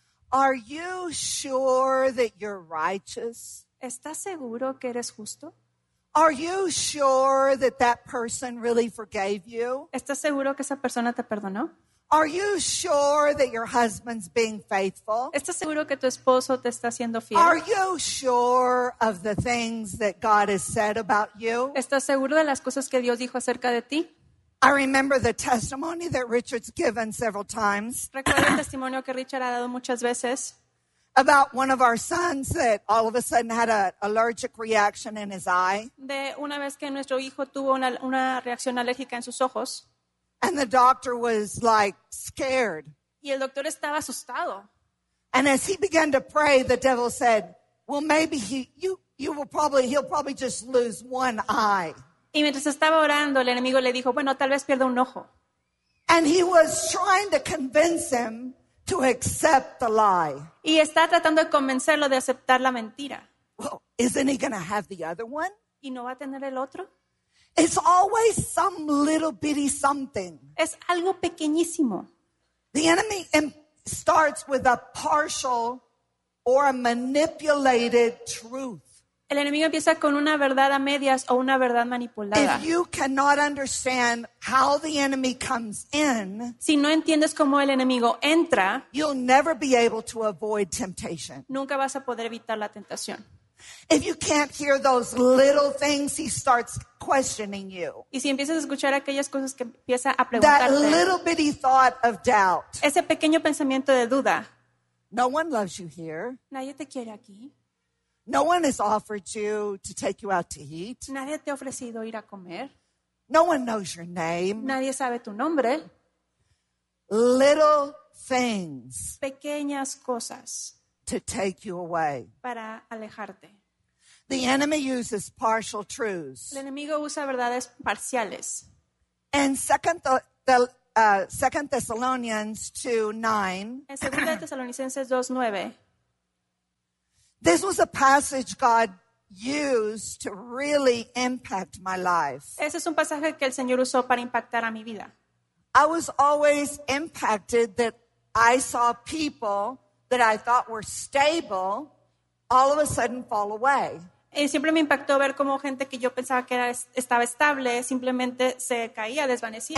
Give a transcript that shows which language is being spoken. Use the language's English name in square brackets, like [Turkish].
[English] Are you sure that you're righteous? [Spanish] ¿Estás seguro que eres justo? [English] Are you sure that person really forgave you? [Spanish] ¿Estás seguro que esa persona te perdonó? [English] Are you sure that your husband's being faithful? [Spanish] ¿Estás seguro que tu esposo te está siendo fiel? [English] Are you sure of the things that God has said about you? [Spanish] ¿Estás seguro de las cosas que Dios dijo acerca de ti? [English] I remember the testimony that Richard's given several times. [Spanish] Recuerdo el testimonio que Richard ha dado muchas veces. [English] About one of our sons that all of a sudden had an allergic reaction in his eye. [Spanish] De una vez que nuestro hijo tuvo una reacción alérgica en sus ojos. [English] And the doctor was like scared. [Spanish] Y el doctor estaba asustado. [English] And as he began to pray, the devil said, "Well, maybe he'll probably just lose one eye." [Spanish] Y mientras estaba orando, el enemigo le dijo, "Bueno, tal vez pierda un ojo." [English] And he was trying to convince him to accept the lie. [Spanish] Y está tratando de convencerlo de aceptar la mentira. [English] Well, isn't he going to have the other one? [Spanish] ¿Y no va a tener el otro? [English] It's always some little bitty something. [Spanish] Es algo pequeñísimo. [English] The enemy starts with a partial or a manipulated truth. [Spanish] El enemigo empieza con una verdad a medias o una verdad manipulada. [English] If you cannot understand how the enemy comes in, [Spanish] si no entiendes cómo el enemigo entra, [English] you'll never be able to avoid temptation. [Spanish] Nunca vas a poder evitar la tentación. [English] If you can't hear those little things, he starts questioning you. [Spanish] Y si empiezas a escuchar aquellas cosas que empieza a preguntarte, [English] that little bitty thought of doubt, [Spanish] ese pequeño pensamiento de duda, [English] no one loves you here. [Spanish] Nadie te quiere aquí. [English] No one has offered you to take you out to eat. [Spanish] Nadie te ha ofrecido ir a comer. [English] No one knows your name. [Spanish] Nadie sabe tu nombre. [English] Little things. [Spanish] Pequeñas cosas. [English] To take you away. [Spanish] Para alejarte. [English] The enemy uses partial truths. [Spanish] El enemigo usa verdades parciales. [English] In 2 Thessalonians 2:9. [Spanish] En 2 Tesalonicenses 2:9. [English] This was a passage God use to really impact my life. [Spanish] Ese es un pasaje que el Señor usó para impactar a mi vida. [English] I was always impacted that I saw people that I thought were stable all of a sudden fall away. [Spanish] Y siempre me impactó ver cómo gente que yo pensaba que era, estaba estable simplemente se caía, desvanecía.